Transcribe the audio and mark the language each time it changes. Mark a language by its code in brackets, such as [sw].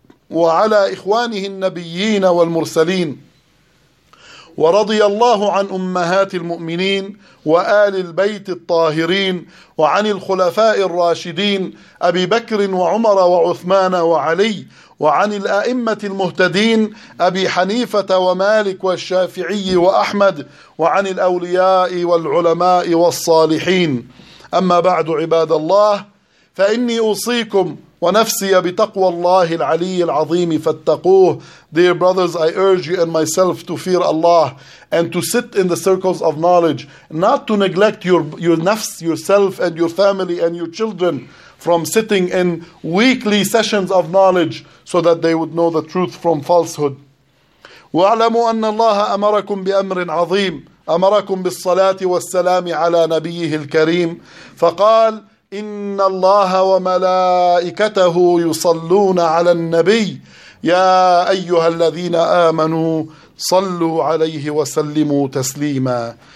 [ar] وعلى إخوانه النبيين والمرسلين ورضي الله عن أمهات المؤمنين وآل البيت الطاهرين وعن الخلفاء الراشدين أبي بكر وعمر وعثمان وعلي وعن الأئمة المهتدين أبي حنيفة ومالك والشافعي وأحمد وعن الأولياء والعلماء والصالحين. أما بعد عباد الله، فإني أوصيكم ونفسي بتقوى الله العلي العظيم فاتقوه. [en] Dear brothers, I urge you and myself to fear Allah and to sit in the circles of knowledge, not to neglect your nafs, yourself and your family and your children from sitting in weekly sessions of knowledge so that they would know the truth from falsehood. [ar] وَاعْلَمُوا أَنَّ اللَّهَ أَمَرَكُمْ بِأَمْرٍ عَظِيمٍ أَمَرَكُمْ بِالصَّلَاةِ وَالسَّلَامِ عَلَى نَبِيِّهِ الْكَرِيمِ فَقَالَ إن الله وملائكته يصلون على النبي يا أيها الذين آمنوا صلوا عليه وسلموا تسليما.